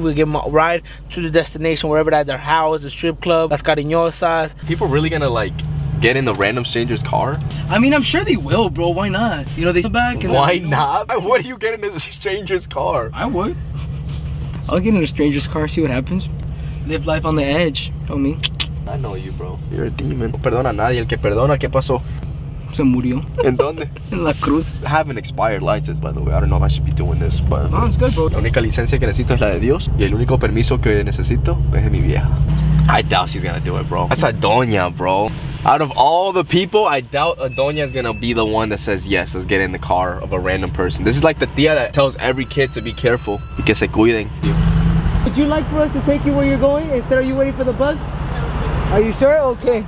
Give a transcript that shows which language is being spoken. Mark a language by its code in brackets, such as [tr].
[en] We'll give them a ride to the destination, wherever that, their house, the strip club, Las Cariñosas. People really gonna like get in the random stranger's car? I mean, I'm sure they will, bro. Why not? You know, they sit back and why not? What are you getting in a stranger's car? I would. I'll get in a stranger's car, see what happens. Live life on the edge, homie. I know you, bro. You're a demon. [es] No perdona a nadie. El que perdona, ¿qué pasó? Se murió. ¿En dónde? En la cruz. [en] I have an expired license, by the way. I don't know if I should be doing this, but... No, it's good, bro. [es] La única licencia que necesito es la de Dios. Y el único permiso que necesito es de mi vieja. [en] I doubt she's gonna do it, bro. That's a doña, bro. Out of all the people, I doubt a doña is gonna be the one that says yes, let's get in the car of a random person. This is like the tía that tells every kid to be careful. [es] Y que se cuiden. [en] Would you like for us to take you where you're going instead of you waiting for the bus? Are you sure? Okay.